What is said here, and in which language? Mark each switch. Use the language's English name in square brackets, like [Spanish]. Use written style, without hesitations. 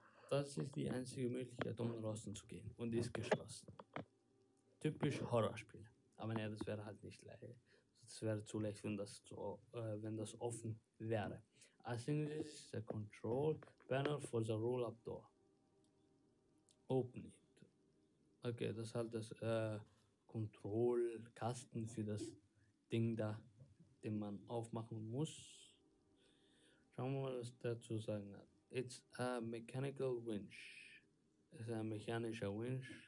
[German] Das ist die einzige Möglichkeit, um draußen zu gehen. Und ist geschlossen. Typisch Horrorspiel. Aber ne, das wäre halt nicht leicht. Das wäre zu leicht, wenn das offen wäre. [English] I think this is the control panel for the roll-up door. Open it. [German] Okay, das ist halt das Kontrollkasten für das Ding da, den man aufmachen muss. Schauen wir mal, was der zu sagen hat. [English] It's a mechanical winch. [German] Es ist ein mechanischer Winch.